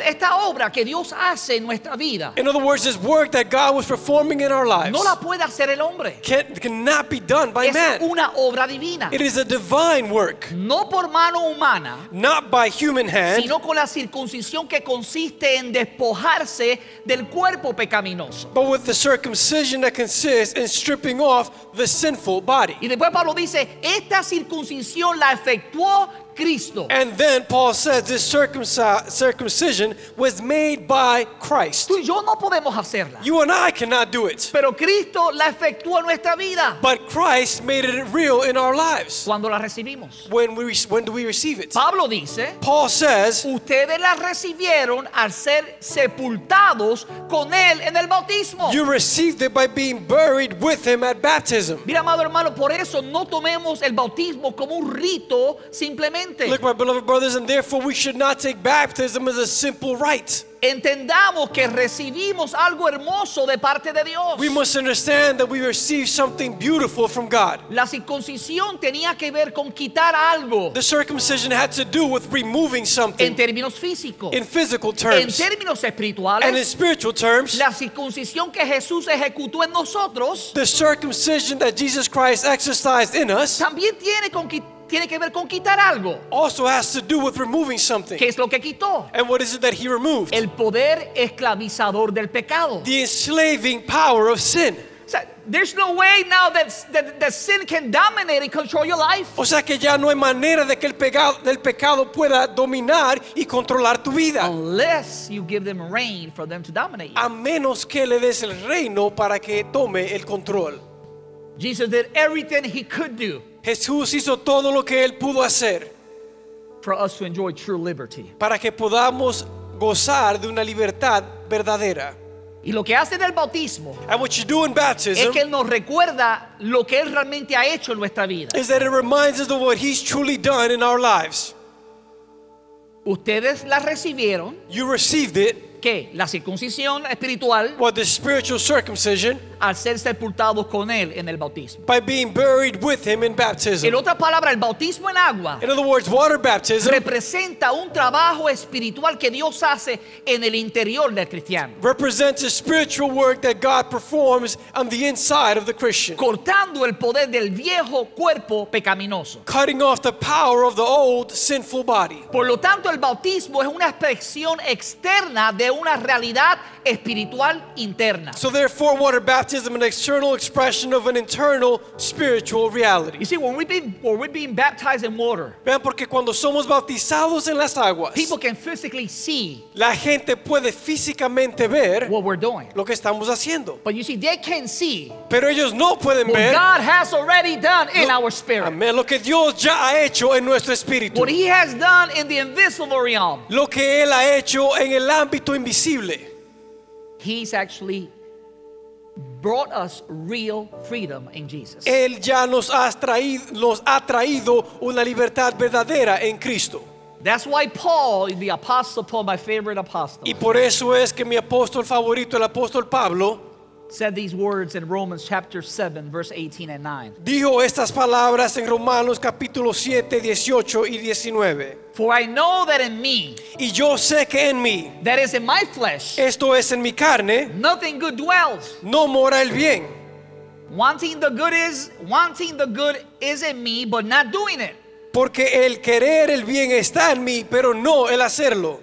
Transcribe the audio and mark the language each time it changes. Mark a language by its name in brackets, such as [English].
[Spanish] Esta obra que Dios hace en nuestra vida. [English] In other words, this work that God was performing in our lives. [Spanish] No la puede hacer el hombre. [English] Cannot be done by man. [Spanish] Es una obra divina. [English] It is a divine work. [Spanish] No por mano humana. [English] Not by human hand. [Spanish] Sino con la circuncisión que consiste en despojarse del cuerpo pecaminoso. [English] But with the circumcision that consists in stripping off the sinful. [Spanish] Y después Pablo dice, esta circuncisión la efectuó Cristo. [English] And then Paul says this circumcision was made by Christ. [Spanish] Tú y yo no podemos hacerla. [English] You and I cannot do it. [Spanish] Pero Cristo la efectuó en nuestra vida. [English] But Christ made it real in our lives. [Spanish] Cuando la recibimos. [English] When do we receive it? [Spanish] Pablo dice, [English] Paul says, [Spanish] ustedes la recibieron al ser sepultados con él en el bautismo. [English] You received it by being buried with him at baptism. [Spanish] Mira, amado hermano, por eso no tomemos el bautismo como un rito simplemente. [English] Look, my beloved brothers, and therefore we should not take baptism as a simple rite. [Spanish] Entendamos que recibimos algo hermoso de parte de Dios. [English] We must understand that we receive something beautiful from God. [Spanish] La circuncisión tenía que ver con quitar algo. [English] The circumcision had to do with removing something. [Spanish] En términos físicos. [English] In physical terms. [Spanish] En términos espirituales. [English] And in spiritual terms. [Spanish] La circuncisión que Jesús ejecutó en nosotros. [English] The circumcision that Jesus Christ exercised in us. [Spanish] También tiene con quitar. Tiene que ver con quitar algo. [English] Also has to do with removing something. [Spanish] ¿Qué es lo que quitó? [English] And what is it that he removed? [Spanish] El poder esclavizador del pecado. [English] The enslaving power of sin. So, there's no way now that sin can dominate and control your life. [Spanish] O sea que ya no hay manera de que el pecado pueda dominar y controlar tu vida. [English] Unless you give them reign for them to dominate you. [Spanish] A menos que le des el reino para que tome el control. [English] Jesus did everything he could do. [Spanish] Jesús hizo todo lo que él pudo hacer. [English] For us to enjoy true liberty. [Spanish] Para que podamos gozar de una libertad verdadera. Y lo que hace del bautismo, [English] and what you do in baptism, [Spanish] es que él nos recuerda lo que él realmente ha hecho en nuestra vida. [English] Is that it reminds us of what he's truly done in our lives. [Spanish] Ustedes la recibieron. [English] You received it. [Spanish] ¿Qué? La circuncisión espiritual. [English] What, the spiritual circumcision? [Spanish] Al ser sepultados con él en el bautismo. [English] By being buried with him in baptism. [Spanish] En otras palabras, el bautismo en agua. [English] In other words, water baptism. [Spanish] Representa un trabajo espiritual que Dios hace en el interior del cristiano. [English] Represents a spiritual work that God performs on the inside of the Christian. [Spanish] Cortando el poder del viejo cuerpo pecaminoso. [English] Cutting off the power of the old sinful body. [Spanish] Por lo tanto, el bautismo es una expresión externa de una realidad espiritual interna. [English] So therefore, water baptism is an external expression of an internal spiritual reality. You see, when we're being baptized in water, [Spanish] vean porque cuando somos bautizados en las aguas, [English] people can physically see, [Spanish] la gente puede físicamente ver [English] what we're doing, [Spanish] lo que estamos haciendo. [English] But you see, they can see, [Spanish] pero ellos no pueden [English] what [Spanish] ver [English] God has already done in our spirit. Amen. [Spanish] Lo que Dios ya ha hecho en nuestro espíritu. [English] What he has done in the invisible realm. [Spanish] Lo que él ha hecho en el ámbito invisible. [English] He's actually brought us real freedom in Jesus. [Spanish] Él ya nos ha traído una libertad verdadera en Cristo. [English] That's why Paul, the apostle Paul, my favorite apostle. [Spanish] Y por eso es que mi apóstol favorito, el apóstol Pablo, [English] said these words in Romans chapter 7, verse 18 and 9. [Spanish] Dijo estas palabras en Romanos capítulo 7, 18 y 19. [English] For I know that in me, [Spanish] y yo sé que en mí, [English] that is in my flesh, [Spanish] esto es en mi carne, [English] nothing good dwells. [Spanish] No mora el bien. [English] Wanting the good is in me, but not doing it. [Spanish] Porque el querer el bien está en mí, pero no el hacerlo.